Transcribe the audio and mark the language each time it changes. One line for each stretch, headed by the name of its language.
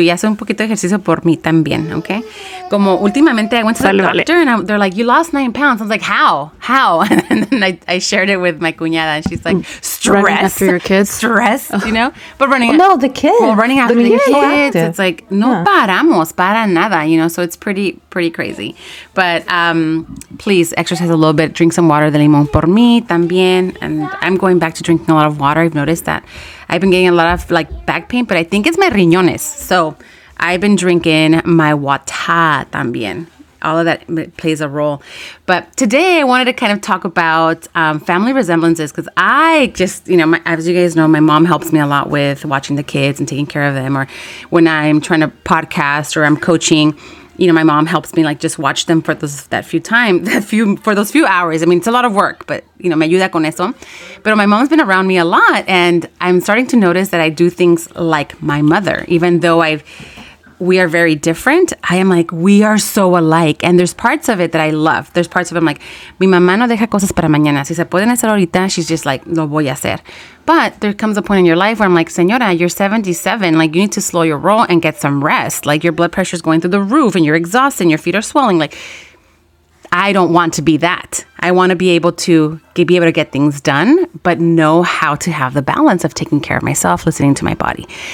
Spanish: Ya hace un poquito de ejercicio por mí también, okay? Como últimamente,
English: I went to the doctor, and they're like, you lost 9 pounds. I was like, how? How? And then I shared it with my cuñada, and she's like, stress. Running after your kids. Stress, you know? But running after. Well, no, the kids. Well, running after the kids. It's like,
Spanish: no paramos, para nada,
English: you know? So it's pretty crazy. But please exercise a little bit. Drink some water
Spanish: de limón por mí también.
English: And I'm going back to drinking a lot of water. I've noticed that. I've been getting a lot of like back pain, but I think it's my riñones. So I've been drinking my wata también. All of that plays a role. But today I wanted to kind of talk about family resemblances, because I just, you know, as you guys know, my mom helps me a lot with watching the kids and taking care of them. Or when I'm trying to podcast or I'm coaching, you know, my mom helps me like just watch them for those few hours. I mean, it's a lot of work, but you know,
Spanish: me ayuda con eso.
English: But my mom's been around me a lot, and I'm starting to notice that I do things like my mother, even though we are very different. I am like, we are so alike. And there's parts of it that I love. There's parts of it I'm like,
Spanish: mi mamá no deja cosas para mañana. Si se pueden hacer ahorita,
English: she's just like,
Spanish: lo voy a hacer.
English: But there comes a point in your life where I'm like, señora, you're 77. Like, you need to slow your roll and get some rest. Like, your blood pressure is going through the roof and you're exhausted and your feet are swelling. Like, I don't want to be that. I want to be able to get things done, but know how to have the balance of taking care of myself, listening to my body.